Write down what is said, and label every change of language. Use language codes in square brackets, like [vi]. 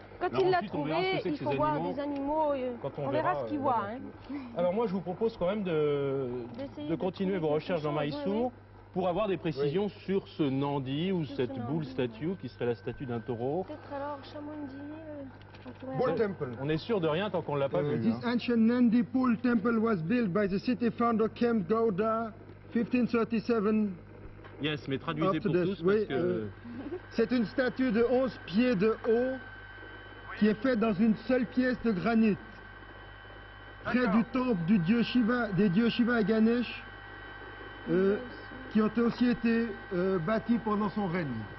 [fr] Quand il l'a trouvé, il faut voir des animaux, on verra ce qu'il voit. Alors moi, je vous propose quand même de continuer vos recherches dans Mysore pour avoir des précisions sur ce Nandi ou cette Bull Statue qui serait la statue d'un taureau. Peut-être alors Chamundi... [en] Bull Temple. [fr] On est sûr de rien tant qu'on ne l'a pas vu. [en] This ancient Nandi Bull Temple was built by the city founder Kemp Gowda, 1537. [fr] Yes, mais traduisez pour tous parce que... C'est une statue de 11 pieds de haut qui est faite dans une seule pièce de granit, près d'accord. du temple du dieu Shiva, des dieux Shiva et Ganesh, qui ont aussi été bâtis pendant son règne.